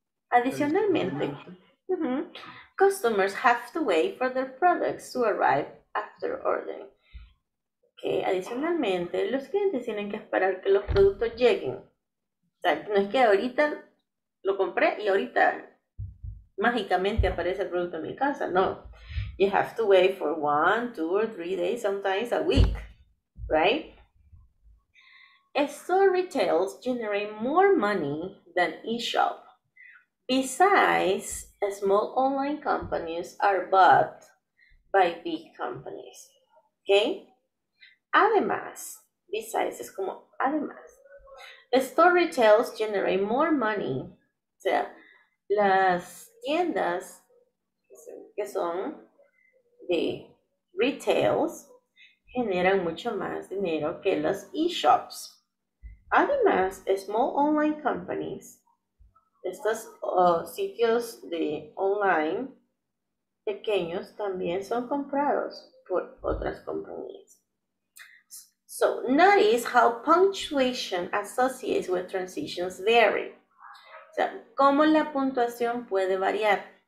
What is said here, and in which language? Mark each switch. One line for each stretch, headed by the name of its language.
English: Adicionalmente, customers have to wait for their products to arrive after ordering.
Spanish: Okay, adicionalmente, los clientes tienen que esperar que los productos lleguen. O sea, no es que ahorita lo compré y ahorita mágicamente aparece el producto en mi casa. No.
English: You have to wait for 1, 2, or 3 days, sometimes a week. Right? Store retails generate more money than e-shop. Besides, small online companies are bought by big companies. Okay? Además, besides,
Spanish: es como además.
English: Store retails generate more money.
Spanish: O sea, las tiendas que son de retails generan mucho más dinero que los e-shops. Además,
English: small online companies,
Spanish: estos sitios de online pequeños también son comprados por otras compañías.
English: So, notice how punctuation associates with transitions vary.
Spanish: O sea, ¿cómo la puntuación puede variar?